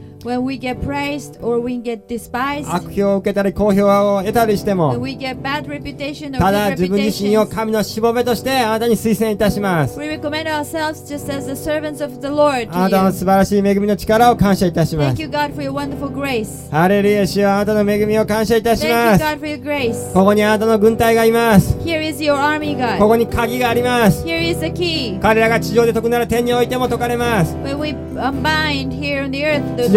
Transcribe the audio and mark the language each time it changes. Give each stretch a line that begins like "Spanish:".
English: When we get praised or we get despised.
Japanese: 悪評を受けたり、好評を得たりしても。
English: When we get bad reputation
Japanese: or ただ自分自身を神のしもべとしてあなたに推薦いたします。
English: We recommend ourselves just as the servants of the Lord.
Japanese: あなたの素晴らしい恵みの力を感謝いたします。
English: Thank you, God, for your wonderful grace.
Japanese: ハレルヤ、主よ、あなたの恵みを感謝いたします。
English: Thank you, God, for your grace.
Japanese: ここにあなたの軍隊がいます。
English: Here is your army, God.
Japanese: ここに鍵があります。
English: Here is the key.
Japanese: 彼らが地上で解くなら天においても解かれます。
English: When we unbind here on the earth, the